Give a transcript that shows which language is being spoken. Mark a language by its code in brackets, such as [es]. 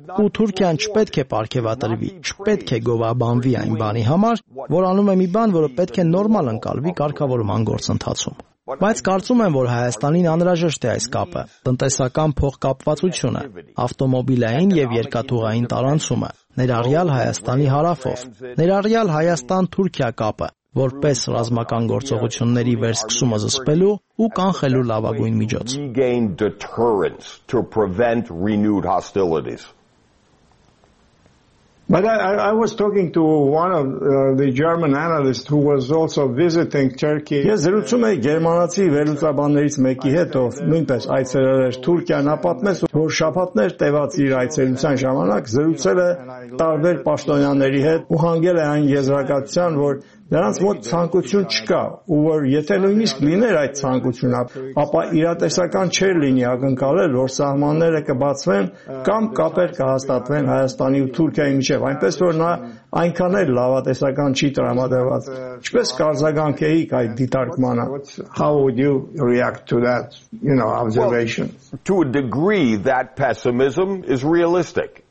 [hy] ու Թուրքիան չպետք է պարգևատրվի, չպետք է գովաբանվի այն բանի համար, որ անում է մի բան, որը պետք է նորմալ ընկալվի կարգավորման գործընթացում։ Բայց կարծում եմ, որ Հայաստանին անհրաժեշտ է այս կապը, տնտեսական փոխկապվածությունը, ավտոմոբիլային եւ երկաթուղային տարանցումը, ներառյալ Հայաստանի հարավով, ներառյալ Հայաստան-Թուրքիա կապը, որպես ռազմական գործողությունների վերսկսումը զսպելու ու կանխելու լավագույն միջոց։ [en] But I was talking to one of the German analysts who was also visiting Turkey. [hy] Ես զրուցում եմ գերմանացի վերլուծաբաններից մեկի հետ, ով նույնպես այցելել էր Թուրքիան, ապատմեց, որ շաբաթներ տևած իր այցելության ժամանակ զրուցել է տարբեր պաշտոնյաների հետ ու հանգել է այն եզրակացության, որ նրանց մոտ ցանկություն չկա, ու որ եթե նույնիսկ լիներ այդ ցանկությունը, ապա իրատեսական չէր լինի ակնկալել, որ սահմանները կբացվեն կամ կապեր կհաստատվեն Հայաստանի ու Թուրքիայի միջև, այնպես որ նա այնքան էլ լավատեսական չի տրամադրված։ Ինչպես կարզագանքեիք այդ դիտարկմանը? [en] How would you react to that, you know, observation? Well, to a degree that pessimism is realistic.